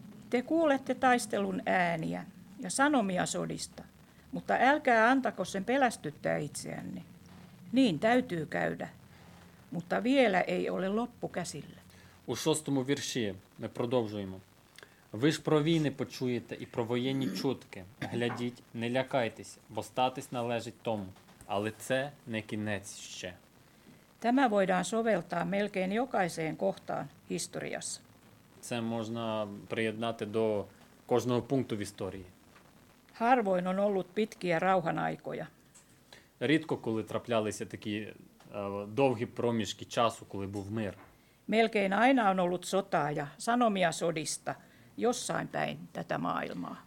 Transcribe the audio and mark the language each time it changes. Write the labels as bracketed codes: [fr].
[fi] Te kuulette taistelun ääniä ja sanomia sodista, mutta älkää antako sen pelästyttää itseänne. Niin täytyy käydä, mutta vielä ei ole loppu käsillä. [uk] У 6 вірші ми продовжуємо. Ви ж про війни почуєте і про воєнні чутки. Глядіть, не лякайтесь, бо статись належить тому. Але це не кінець ще. [fi] Tämä voidaan soveltaa melkein jokaiseen kohtaan historiassa. [uk] Це можна приєднати до кожного пункту в історії. [fi] Harvoin on ollut pitkiä rauhanaikoja. [uk] Рідко коли траплялися такі довгі проміжки часу, коли був мир. [fi] Melkein aina on ollut sotaa ja sanomia sodista. Jossain päin tätä maailmaa.